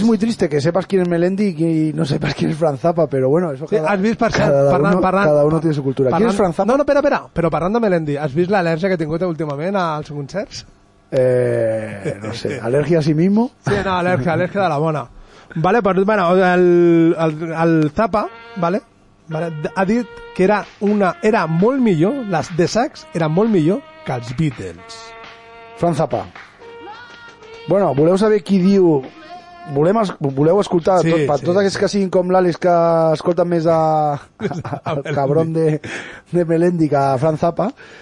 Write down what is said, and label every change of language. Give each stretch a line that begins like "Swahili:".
Spanish: És muy triste que sepas quién es Melendi y no sepas quién es Frank Zappa, pero bueno, eso cada...
Catalan: Sí, has vist, parlant...
Spanish: Cada uno tiene su cultura. ¿Quién es Frank Zappa?
Catalan: No, no, espera, però parlant de Melendi, has vist l'al·lèrgia que he tingut últimament als concerts?
Spanish: No sé, alergia a sí mismo. Sí, no, alergia de la bona. Vale, pues bueno, el Zappa, ¿vale?
Catalan: Vale, ha dit que era molt millor, les The Sax era molt millor que els Beatles. Frank Zappa. Bueno, voleu saber qui diu? Voleu escoltar, sí, per tots aquests que siguin com l'Àlex, que escolten més a cabron de Melendi que a Frank Zappa.